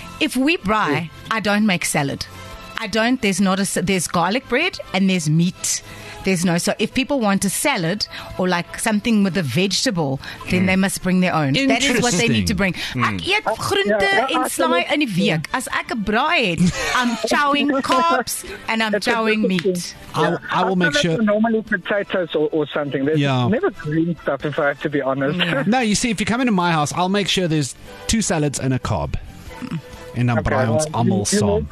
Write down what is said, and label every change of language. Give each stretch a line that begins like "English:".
English: If we braai, I don't make salad. There's garlic bread and there's meat. So if people want a salad or like something with a vegetable, then they must bring their own. That is what they need to bring.
Afrikaans: Ek eet groente en slaai in die week. As ek 'n braai het,
English: I'm chowing carbs and I'm chowing meat. I will make sure. Normally potatoes or something. There's never green stuff, if I have to be honest. No, you see, if you come into my house, I'll make sure there's two salads and a carb. In a Brian's Amal song.